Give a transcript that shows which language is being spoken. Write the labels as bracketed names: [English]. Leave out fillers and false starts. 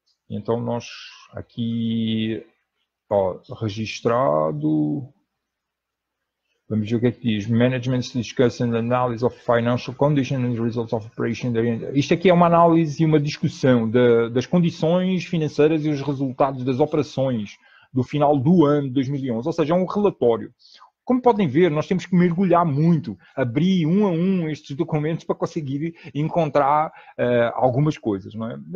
[Portuguese] Então, nós aqui, ó, registrado. Vamos ver o que é que diz. [English] Management discussion and analysis of financial condition and results of operation. [Portuguese] Isto aqui é uma análise e uma discussão das condições financeiras e os resultados das operações do final do ano de 2011. Ou seja, é um relatório. Como podem ver, nós temos que mergulhar muito, abrir um a um estes documentos para conseguir encontrar algumas coisas, não é?